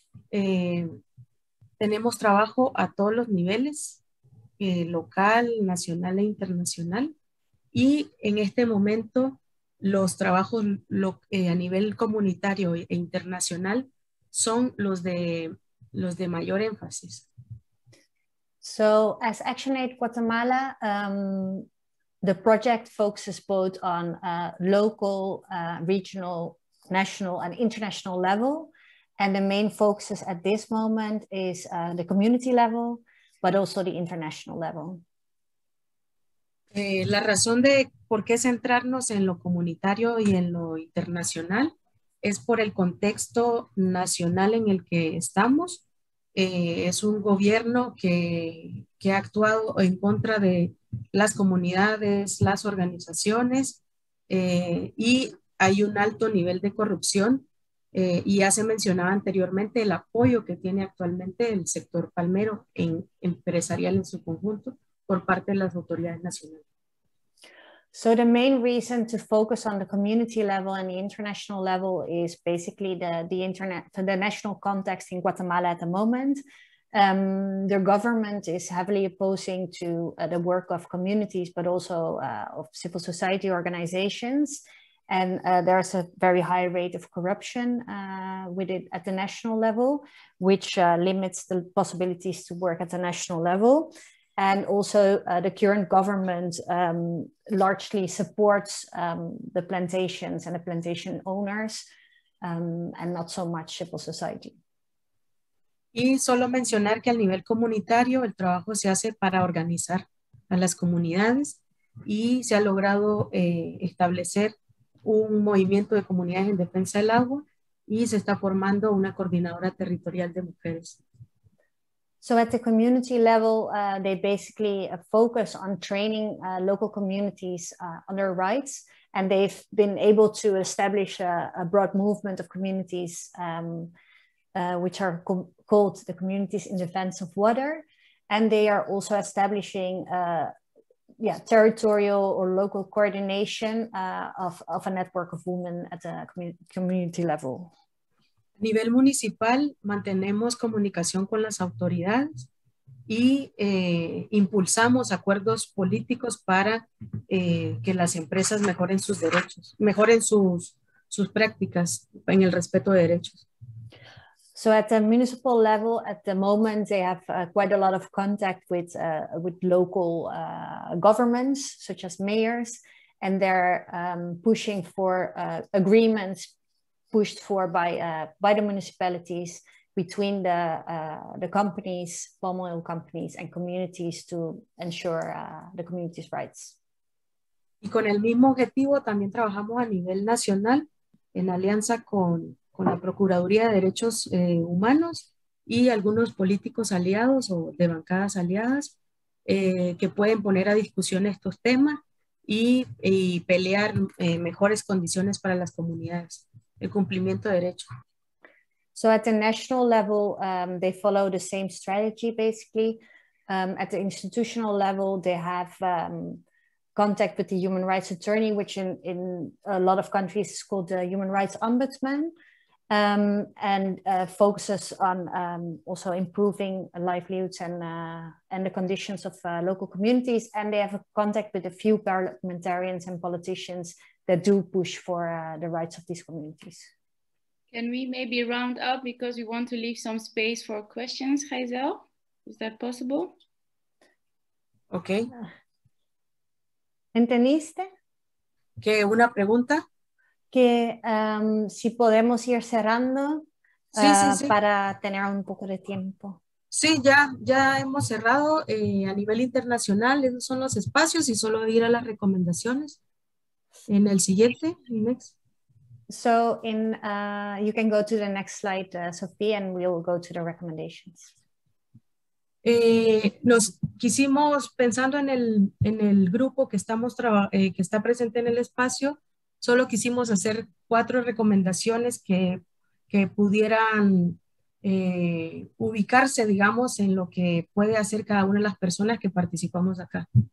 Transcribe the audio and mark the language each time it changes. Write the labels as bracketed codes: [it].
[es] Tenemos trabajo a todos los niveles, local, nacional e internacional. Y en este momento, los trabajos a nivel comunitario e internacional son los de mayor énfasis. [en] So, as ActionAid Guatemala, the project focuses both on local, regional, national and international level, and the main focuses at this moment is the community level, but also the international level. [es] La razón de por qué centrarnos en lo comunitario y en lo internacional es por el contexto nacional en el que estamos. Es un gobierno que ha actuado en contra de las comunidades, las organizaciones, y hay un alto nivel de corrupción, y ya se mencionaba anteriormente el apoyo que tiene actualmente el sector palmero en empresarial en su conjunto por parte de las autoridades nacionales. [en] So the main reason to focus on the community level and the international level is basically the national context in Guatemala at the moment. Their government is heavily opposing to the work of communities, but also of civil society organizations. And there's a very high rate of corruption with it at the national level, which limits the possibilities to work at the national level. And also the current government largely supports the plantations and the plantation owners and not so much civil society. [es] Y solo mencionar que a nivel comunitario el trabajo se hace para organizar a las comunidades y se ha logrado establecer un movimiento de comunidades en defensa del agua y se está formando una coordinadora territorial de mujeres. [en] So at the community level, they basically focus on training local communities on their rights, and they've been able to establish a broad movement of communities which are called the Communities in Defense of Water. And they are also establishing territorial or local coordination of a network of women at the community level. [es] A nivel municipal, mantenemos comunicación con las autoridades y impulsamos acuerdos políticos para que las empresas mejoren sus derechos, mejoren sus prácticas en el respeto de derechos. [en] So at the municipal level, at the moment, they have quite a lot of contact with local governments, such as mayors, and they're pushing for agreements pushed for by the municipalities between the companies, palm oil companies and communities to ensure the community's rights. [es] Y con el mismo objetivo también trabajamos a nivel nacional en alianza con la Procuraduría de Derechos Humanos y algunos políticos aliados o de bancadas aliadas que pueden poner a discusión estos temas y pelear mejores condiciones para las comunidades. El cumplimiento de derecho. [en] So at the national level, they follow the same strategy, basically. At the institutional level, they have contact with the human rights attorney, which in a lot of countries is called the human rights ombudsman, and focuses on also improving livelihoods and the conditions of local communities. And they have a contact with a few parliamentarians and politicians that do push for the rights of these communities. Can we maybe round up because we want to leave some space for questions, Gheiselle? Is that possible? Okay. [es] ¿Entendiste? ¿Qué una pregunta? Que si podemos ir cerrando sí. Para tener un poco de tiempo. Sí, ya hemos cerrado a nivel internacional. Esos son los espacios y solo ir a las recomendaciones. En el siguiente, next. [en] So in you can go to the next slide, Sophie, and we'll go to the recommendations. [es] Nos quisimos pensando en el grupo que estamos que está presente en el espacio, solo quisimos hacer cuatro recomendaciones que pudieran ubicarse, digamos, en lo que puede hacer cada una de las personas que participamos acá.